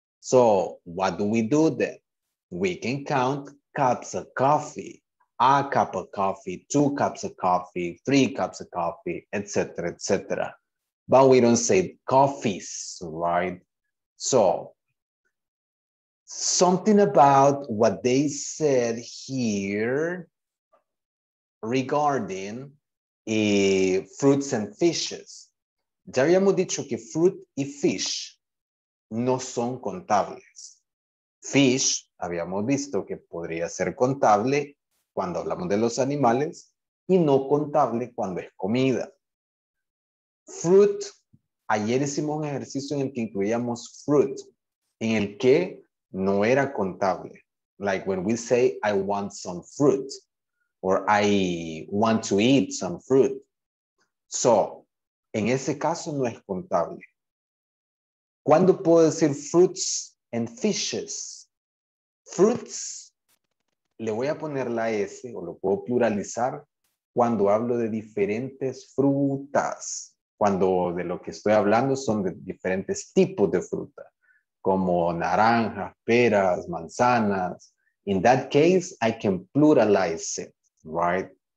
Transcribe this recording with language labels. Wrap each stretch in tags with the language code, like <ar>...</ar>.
<en>So what do we do then? We can count cups of coffee, a cup of coffee, two cups of coffee, three cups of coffee, etc., etc. But we don't say coffees, right? So something about what they said here regarding fruits and fishes.</en> <es>Ya habíamos dicho que fruit y fish no son contables. Fish, habíamos visto que podría ser contable cuando hablamos de los animales y no contable cuando es comida. Fruit, ayer hicimos un ejercicio en el que incluíamos fruit, en el que no era contable.</es> <en>Like when we say, I want some fruit, or I want to eat some fruit.</en> <es>So, en ese caso no es contable. ¿Cuándo puedo decir</es> <en>fruits and fishes?</en> <es>Fruits, le voy a poner la S, o lo puedo pluralizar, cuando hablo de diferentes frutas. Cuando de lo que estoy hablando son de diferentes tipos de fruta, como naranjas, peras, manzanas.</es> <en>In that case, I can pluralize it, right?</en>